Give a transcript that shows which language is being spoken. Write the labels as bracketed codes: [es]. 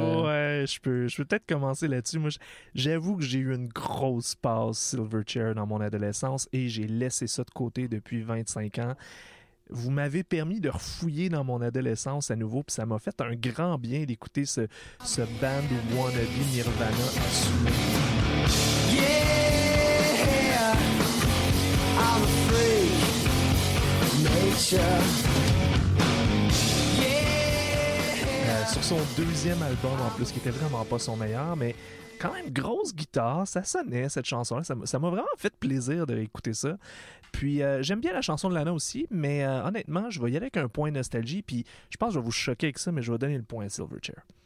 [fr] Ouais, je peux peut-être commencer là-dessus. Moi, j'avoue que j'ai eu une grosse passe Silverchair dans mon adolescence et j'ai laissé ça de côté depuis 25 ans. Vous m'avez permis de refouiller dans mon adolescence à nouveau, puis ça m'a fait un grand bien d'écouter ce band wannabe Nirvana à sous. [en] Yeah, yeah, I'm a freak nature. [fr] Sur son deuxième album en plus, qui était vraiment pas son meilleur, mais quand même grosse guitare, ça sonnait cette chanson-là, ça m'a vraiment fait plaisir d'écouter ça. Puis j'aime bien la chanson de Lana aussi, mais honnêtement, je vais y aller avec un point nostalgie, puis je pense que je vais vous choquer avec ça, mais je vais donner le point à Silverchair.